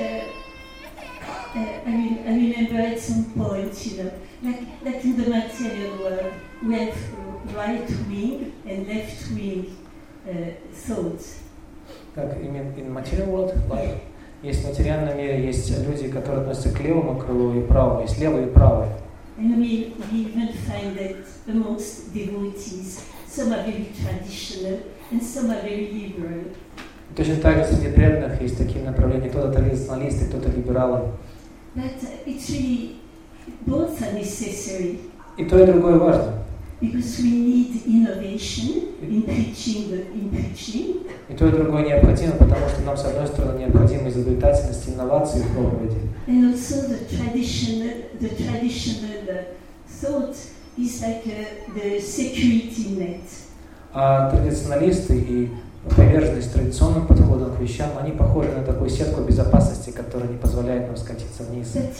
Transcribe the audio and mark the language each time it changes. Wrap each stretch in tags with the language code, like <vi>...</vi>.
<en>I remember at some point, you know, like in the material world, we have right wing and left wing thoughts.</en> <ru>Как именно</ru> <en>in material world?</en> <ru>Like, есть в материальном мире, есть люди, которые относятся к левому крылу и правому, есть левый и правый.</ru> <en>And we even find that amongst devotees, some are very traditional and some are very liberal.</en> <ru>Точно так же среди преданных есть такие направления, кто-то традиционалисты, кто-то либералы.</ru> <en>But it's really both are necessary.</en> <ru>И то, и другое важно.</ru> <en>Because we need innovation in preaching, in preaching.</en> <ru>И то, и другое необходимо, потому что нам, с одной стороны, необходима изобретательность, инновации в проповеди.</ru> <en>And also the traditional thought is like the security net.</en> <ru>А традиционалисты и приверженность традиционным подходам к вещам, они похожи на такую сетку безопасности, которая не позволяет нам скатиться вниз.</ru>